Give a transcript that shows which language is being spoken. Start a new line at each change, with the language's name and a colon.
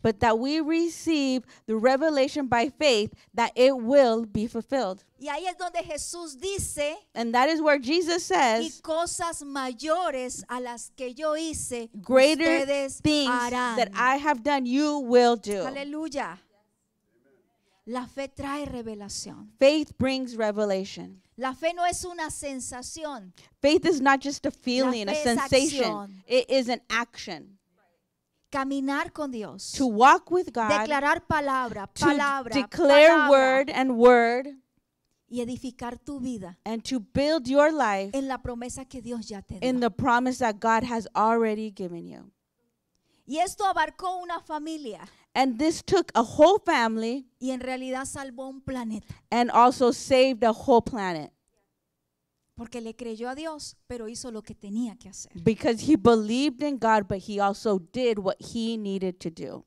English: But that we receive the revelation by faith that it will be fulfilled.
Spanish: Y ahí es donde Jesús dice,
English: and that is where Jesus says,
Spanish: y cosas mayores a las que yo hice,
English: greater
Spanish: ustedes
English: things
Spanish: harán.
English: That I have done, you will do.
Spanish: Aleluya. La fe trae revelación.
English: Faith brings revelation.
Spanish: La fe no es una sensación.
English: Faith is not just a feeling, a sensation.
Spanish: Acción.
English: It is an action.
Spanish: Caminar con Dios.
English: To walk with God.
Spanish: Declarar palabra,
English: to
Spanish: palabra,
English: declare
Spanish: palabra,
English: word and word.
Spanish: Y edificar tu vida.
English: And to build your life.
Spanish: En la promesa que Dios ya te dio.
English: In the promise that God has already given you.
Spanish: Y esto abarcó una familia.
English: And this took a whole family.
Spanish: Y en realidad salvó un planeta.
English: And also saved a whole planet.
Spanish: Porque le creyó a Dios, pero hizo lo que tenía que hacer.
English: Because he believed in God, but he also did what he needed to do.